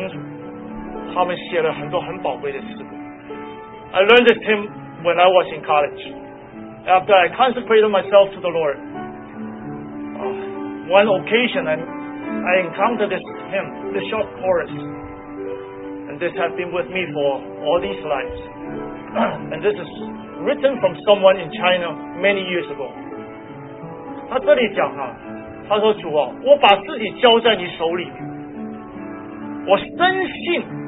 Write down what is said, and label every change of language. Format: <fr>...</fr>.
<zh>这首诗歌是我在读大学的时候学的。当我把自己奉献给主之后，我碰到这首诗歌，这首诗歌就一直陪伴着我。这些诗歌全部从中国出来的。当初那些弟兄们，他们愿意出代价跟从主，他们写了很多很宝贵的诗歌。</zh> <en>I learned this hymn when I was in college. After I consecrated myself to the Lord, one occasion I encountered this hymn, this short chorus. And this has been with me for all these lives. And this is written from someone in China many years ago.</en> <zh>他这里讲啊，他说主啊，我把自己交在你手里，我深信。</zh>